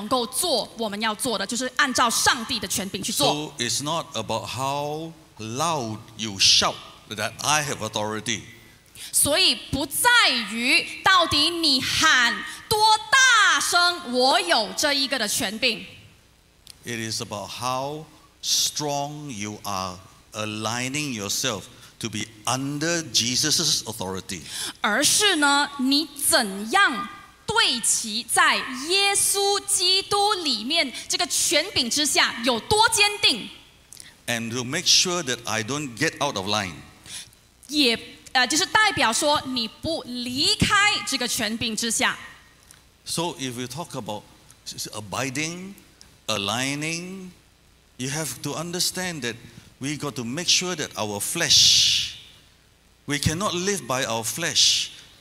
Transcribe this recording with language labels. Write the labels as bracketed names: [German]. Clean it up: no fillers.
[Chinese] 所以呢，其实我们误会的意思就是，我以为我们自己有权柄，可是其实真正权柄不是我们自己的，乃是耶稣基督我们的上帝的。所以呢，当我们服从在这个上帝的权柄之下，这个权柄让我们能够做我们要做的，就是按照上帝的权柄去做。 [English] So it's not about how loud you shout that I have authority. [Chinese] 所以不在于到底你喊多大声，我有这一个的权柄。 [English] It is about how strong you are aligning yourself to be under Jesus' authority. [Chinese] 而是呢，你怎样对齐在耶稣基督里面这个权柄之下，有多坚定？ [English] And to make sure that I don't get out of line. [Chinese] 也 就是代表说你不离开这个权柄之下。 [English] So if we talk about abiding, aligning, you have to understand that we got to make sure that our flesh, we cannot live by our flesh.